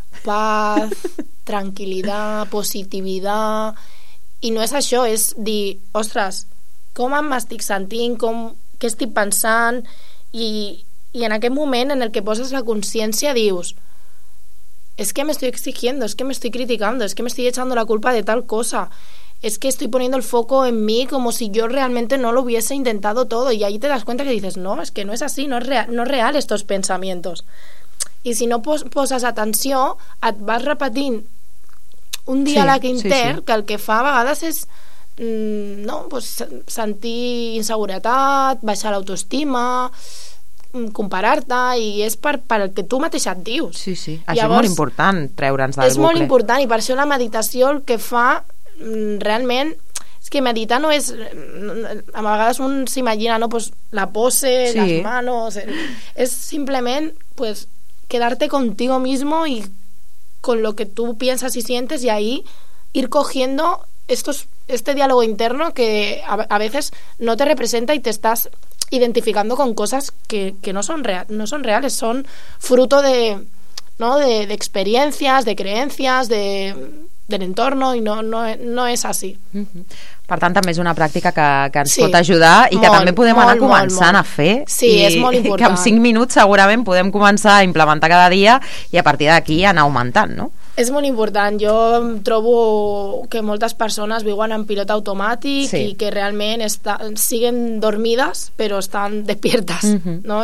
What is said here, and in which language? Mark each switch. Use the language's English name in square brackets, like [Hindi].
[Catalan] Paz, tranquil·litat, positivitat, i no és això, és dir, ostres, com m'estic sentint, què estic pensant... I en aquest moment en el que poses la consciència dius, [Spanish] es que me estoy exigiendo, es que me estoy criticando, es que me estoy echando la culpa de tal cosa, es que estoy poniendo el foco en mí como si yo realmente no lo hubiese intentado todo, y ahí te das cuenta que dices, no, es que no es así, no es real estos pensamientos. [Catalan] Y si no poses atención, et vas repetint un dia sí, a la quinter, sí, sí. Que el que fa a vegades és no, pues sentir inseguretat, baixar l'autoestima, comparar-te, i és pel que tu mateix et dius. Sí, sí, això és molt important, treure'ns del bucle. És molt important, i per això la meditació el que fa realment és que meditar no és, a vegades un s'imagina, no, pues la pose, sí. [Spanish] Les manos, [Catalan] és simplement pues quedar-te [Spanish] contigo mismo i con lo que tú piensas y sientes, y ahí ir cogiendo este diálogo interno que a veces no te representa y te estás identificando con cosas que no son reales, son fruto de experiencias, de creencias, [Catalan] de l'entorn, i no és així. Per tant, també és una pràctica que ens pot ajudar i que també podem anar començant a fer. Sí, és molt important. Que en 5 minuts segurament podem començar a implementar cada dia i a partir d'aquí anar augmentant, no? És molt important. Jo trobo que moltes persones viuen en pilot automàtic i que realment siguen dormides, però estan despiertes, no?